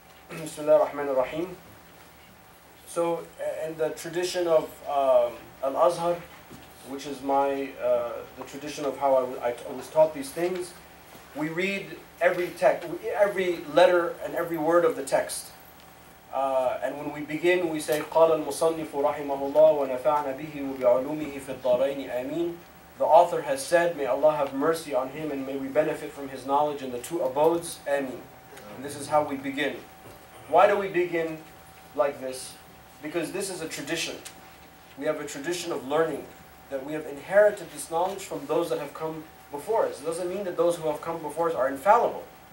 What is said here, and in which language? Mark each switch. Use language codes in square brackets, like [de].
[en] Bismillah ar-Rahman ar-Rahim. So, in the tradition of Al-Azhar, which is the tradition of how I was taught these things, We read every text, every letter and every word of the text. And when we begin, we say, [ar] قَالَ الْمُصَنِّفُ رَحِمَهُ اللَّهُ وَنَفَعْنَا بِهِ وَبِعُلُومِهِ فِي الدَّارَيْنِ آمِينَ. [en] The author has said, may Allah have mercy on him and may we benefit from his knowledge in the two abodes. Ameen. And this is how we begin. Why do we begin like this? Because this is a tradition. We have a tradition of learning that we have inherited this knowledge from those that have come before us. It doesn't mean that those who have come before us are infallible.